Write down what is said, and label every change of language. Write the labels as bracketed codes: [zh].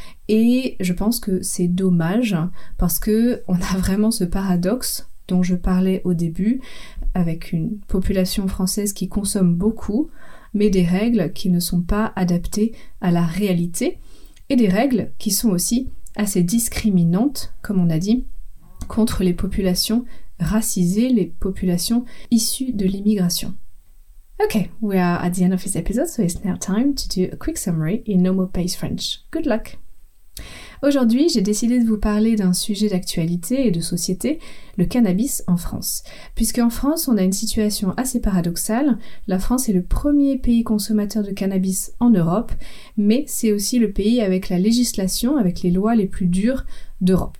[fr] Et je pense que c'est dommage parce que on a vraiment ce paradoxe dont je parlais au début, avec une population française qui consomme beaucoup, mais des règles qui ne sont pas adaptées à la réalité, et des règles qui sont aussi assez discriminantes, comme on a dit, contre les populations racisées, les populations issues de l'immigration. [en] Ok, we are at the end of this episode, so it's now time to do a quick summary in no more pace French. Good luck! [fr] Aujourd'hui, j'ai décidé de vous parler d'un sujet d'actualité et de société, le cannabis en France. Puisqu'en France, on a une situation assez paradoxale, la France est le premier pays consommateur de cannabis en Europe, mais c'est aussi le pays avec la législation, avec les lois les plus dures d'Europe.